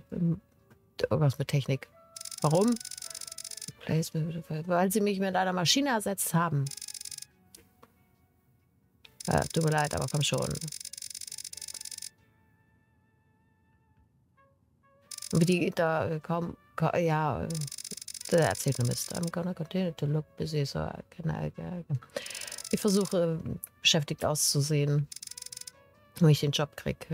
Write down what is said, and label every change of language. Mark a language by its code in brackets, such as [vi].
[de] Irgendwas mit Technik. Warum? Weil sie mich mit einer Maschine ersetzt haben. Ja, tut mir leid, aber komm schon. Und wie die da kommen, ja, der erzählt nur Mist. [en] I'm gonna continue to look busy, so I can. [de] Ich versuche, beschäftigt auszusehen, wenn ich den Job kriege.